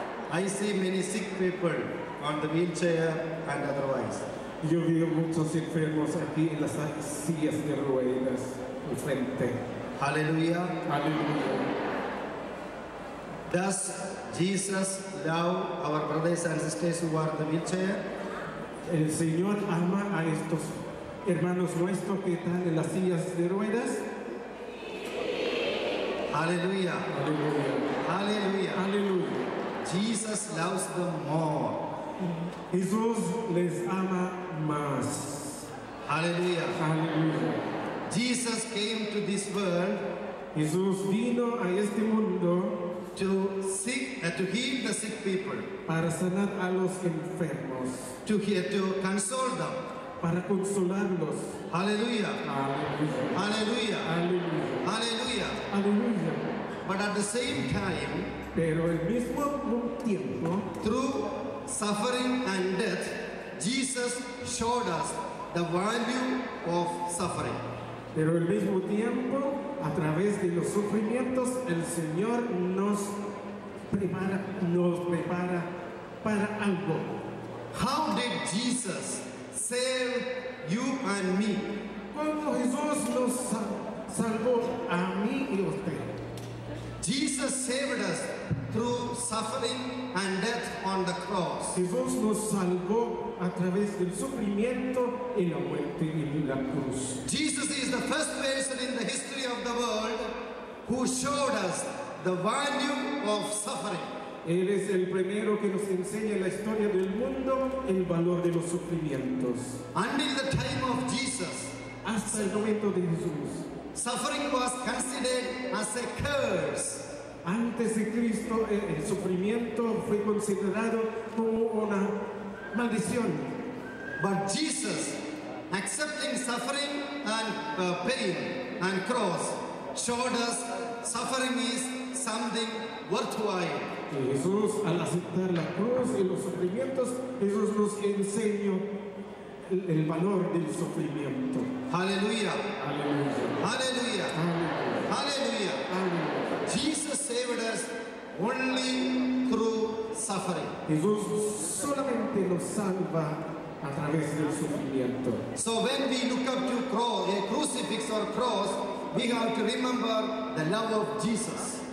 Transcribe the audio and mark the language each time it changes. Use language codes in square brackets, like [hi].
[en] I see many sick people on the wheelchair and otherwise. [es] Yo veo muchos enfermos aquí en las sillas de ruedas al frente. Aleluya, aleluya. [en] Does Jesus love our brothers and sisters who are in the wheelchair? [es] El Señor ama a estos hermanos nuestros que están en las sillas de ruedas. Aleluya. Aleluya. Aleluya. Aleluya. [en] Jesus loves them more. [es] Jesús les ama más. Aleluya. Aleluya. [en] Jesus came to this world. [es] Jesús vino a este mundo [en] to heal the sick people. [es] Para sanar a los enfermos. [en] To console them. [es] Para consolarlos. Aleluya. Aleluya. Aleluya. Aleluya. Aleluya. [en] But at the same time, [es] pero al mismo tiempo, [en] through suffering and death, Jesus showed us the value of suffering. [es] Pero al mismo tiempo, a través de los sufrimientos, el Señor nos prepara para algo. [en] How did Jesus save you and me? [es] Cuando Jesús nos salvó a mí y a usted. [en] Jesus saved us through suffering and death on the cross. [es] Jesús nos salvó a través del sufrimiento y la muerte en la cruz. [en] Jesus is the first person in the history of the world who showed us the value of suffering. [es] Él es el primero que nos enseña en la historia del mundo el valor de los sufrimientos. [en] Until the time of Jesus, [es] hasta el momento de Jesús, [en] suffering was considered as a curse. [es] Antes de Cristo, el sufrimiento fue considerado como una maldición. [en] But Jesus, accepting suffering and pain and cross, showed us suffering is something worthwhile. [es] Jesús, al aceptar la cruz y los sufrimientos, Jesús nos enseñó el valor del sufrimiento. Aleluya. Aleluya. [en] Aleluya. Jesus saved us only through suffering. [es] Jesús solamente nos salva a través del sufrimiento. [en] So when we look up to cross, a crucifix or cross, we have to remember the love of Jesus.